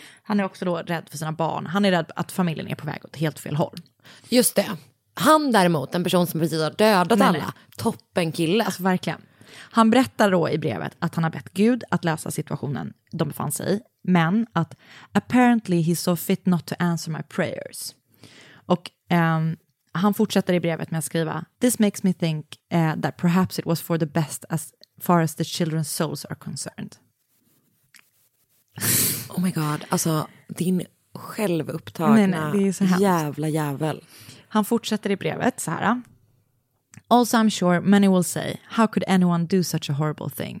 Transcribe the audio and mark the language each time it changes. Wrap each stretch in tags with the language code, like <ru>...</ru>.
<sv>Han är också då rädd för sina barn. Han är rädd att familjen är på väg åt helt fel håll. Just det. Han däremot, en person som precis har dödat alla, toppen kille. Alltså verkligen. Han berättar då i brevet att han har bett Gud att lösa situationen de befann sig i, men att</sv> <en>apparently he saw fit not to answer my prayers.</en> <sv>Och han fortsätter i brevet med att skriva:</sv> <en>"This makes me think that perhaps it was for the best as far as the children's souls are concerned." Oh my god,</en> <sv>alltså din självupptagna jävla jävel. Han fortsätter i brevet så här:</sv> <en>"Also I'm sure many will say, how could anyone do such a horrible thing?</en>